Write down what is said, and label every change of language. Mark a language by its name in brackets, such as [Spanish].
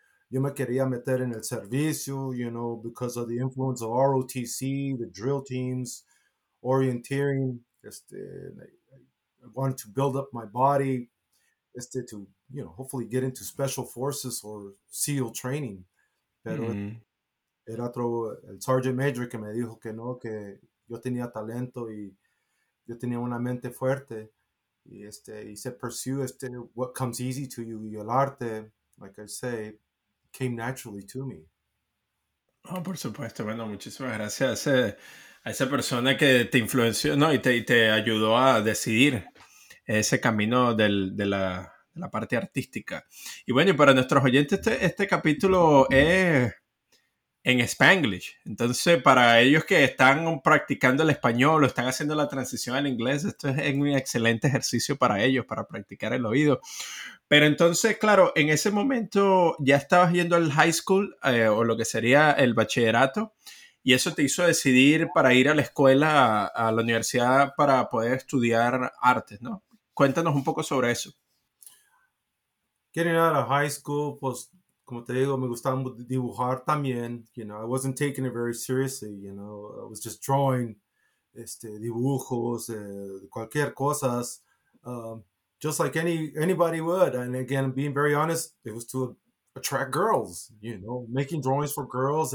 [Spanish] Yo me quería meter en el servicio, [English] you know, because of the influence of ROTC, the drill teams, orienteering. I wanted to build up my body, to, you know, hopefully get into special forces or SEAL training. [Spanish] Pero era otro, el sergeant major que me dijo que no, que yo tenía talento y yo tenía una mente fuerte. [English] Y he said, pursue what comes easy to you, [Spanish] y el arte, [English] like I say, came naturally to me. [Spanish] Oh, por supuesto. Bueno, muchísimas gracias a esa persona que te influenció, ¿no? y te ayudó a decidir ese camino de la parte artística. Y bueno, y para nuestros oyentes, este capítulo es en Spanglish. Entonces, para ellos que están practicando el español o están haciendo la transición al inglés, esto es un excelente ejercicio para ellos, para practicar el oído. Pero entonces, claro, en ese momento ya estabas yendo al high school o lo que sería el bachillerato, y eso te hizo decidir para ir a la escuela, a la universidad, para poder estudiar artes, ¿no? Cuéntanos un poco sobre eso. [English] Getting out of high school, [Spanish] pues, como te digo, me gustaba dibujar también. [English] You know, I wasn't taking it very seriously, you know. I was just drawing [Spanish] dibujos, cualquier cosa. [English] Just like anybody would. And again, being very honest, it was to attract girls, you know, making drawings for girls.